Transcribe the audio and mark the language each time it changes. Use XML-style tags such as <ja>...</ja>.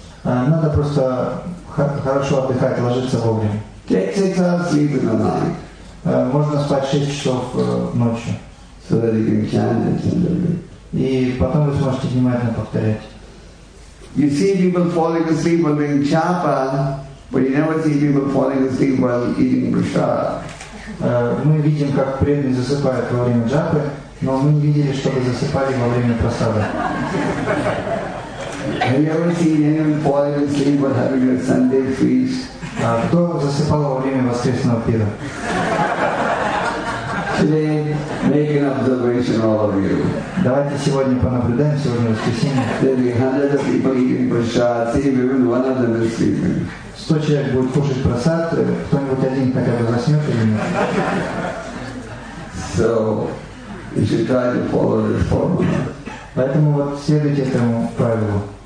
<ru>Надо просто хорошо отдыхать, ложиться вовремя.</ru> <en>Take 6 hours sleep in the night.</en> <ru>Можно спать 6 часов ночью.</ru> <en>So that you can chant it in the day.</en> <ru>И потом вы сможете внимательно повторять.</ru> <en>You see people falling asleep while doing japa, but you never see people falling asleep while eating prasad.</en> <ru>Мы видим, как преданные засыпают во время джапы, но мы не видели, чтобы засыпали во время прасада.</ru> <en>Have you ever seen anyone falling asleep while having a Sunday feast?</en> <ru>Кто засыпал во время воскресного пира?</ru> <en>Today, make an observation, all of you.</en> <ru>Давайте сегодня понаблюдаем, сегодня воскресенье.</ru> <en>There'll be hundreds of people eating prasad. See if even one of them is sleeping.</en> <ru>100 человек будет кушать прасад. Кто-нибудь один хотя бы заснет или нет?</ru> <en>So, you should try to follow this formula.</en> <ru>Поэтому вот следуйте этому правилу.</ru>